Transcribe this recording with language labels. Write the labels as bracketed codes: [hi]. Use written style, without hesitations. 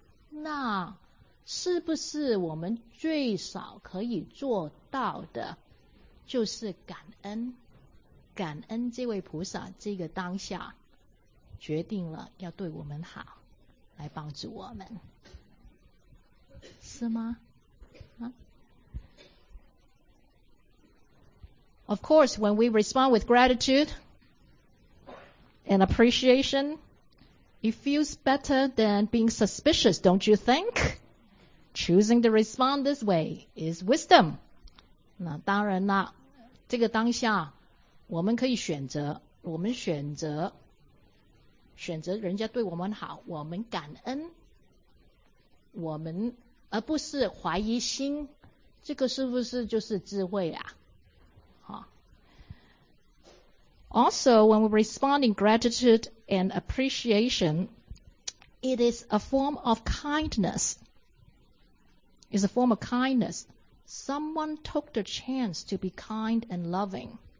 [zh] 那是不是我们最少可以做到的，就是感恩，感恩这位菩萨这个当下决定了要对我们好，来帮助我们，是吗？啊？ [en] Of course, when we respond with gratitude and appreciation, it feels better than being suspicious, don't you think? Choosing to respond this way is wisdom. [zh] 那当然啦，这个当下我们可以选择，我们选择人家对我们好，我们感恩，我们而不是怀疑心，这个是不是就是智慧啊？ [en] Also, when we respond in gratitude and appreciation, it is a form of kindness. It's a form of kindness. Someone took the chance to be kind and loving.